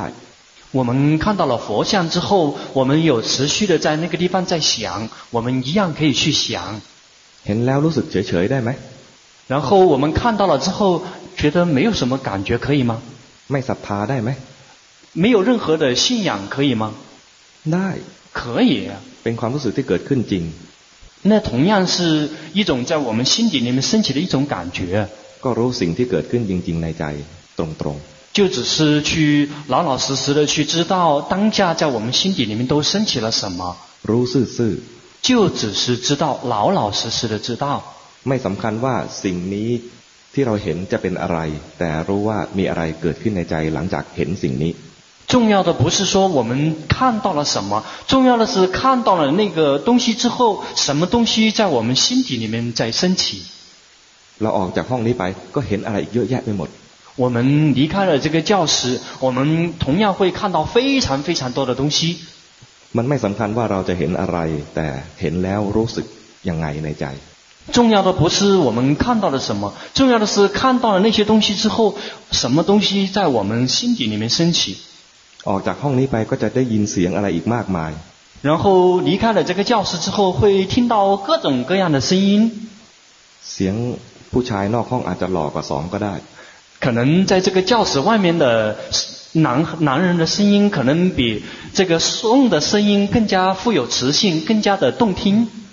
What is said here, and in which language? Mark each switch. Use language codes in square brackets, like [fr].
[zh] 我们看到了佛像之后我们有持续的在那个地方在想我们一样可以去想 [th] เห็นแล้วรู้สึกเฉยๆได้ไหม [zh] 然后我们看到了之后觉得没有什么感觉可以吗 [th] ไม่ศรัทธาได้ไหม ไม่ [zh] 有任何的信仰可以吗 [th] ได้ [zh] 可以 [th] เป็นความรู้สึกที่เกิดขึ้นจริง [zh] 那同样是一种在我们心底里面升起的一种感觉 [th] ก็รู้สิ่งที่เกิดขึ้นจริงๆในใจตรง [zh] ๆ就只是去老老实实的去知道当下在我们心底里面都升起了什么 [th] รู้สึก [zh] 就只是知道老老实实的知道 [th] ไม่สำคัญว่าสิ่งนี้ที่เราเห็นจะเป็นอะไรแต่รู้ว่ามีอะไรเกิดขึ้นในใจหลังจากเห็นสิ่งนี้ [zh] 重要的不是说我们看到了什么重要的是看到了那个东西之后什么东西在我们心底里面在升起 [th] เราออกจากห้องนี้ไปก็เห็นอะไรเยอะแยะไปหมด [zh] 我们离开了这个教室我们同样会看到非常非常多的东西 [th] มันไม่สำคัญว่าเราจะเห็นอะไรแต่เห็นแล้วรู้สึกยังไงในใจ [zh] 重要的不是我们看到了什么，重要的是看到了那些东西之后，什么东西在我们心底里面升起。 [th] ออกจากห้องนี้ไปก็จะได้ยินเสียงอะไรอีกมากมาย。 [zh] 然后离开了这个教室之后，会听到各种各样的声音。 [th] เสียงผู้ชายนอกห้องอาจจะหลอกกว่าสองก็ได้。 [zh] 可能在这个教室外面的男人的声音，可能比这个送的声音更加富有磁性，更加的动听。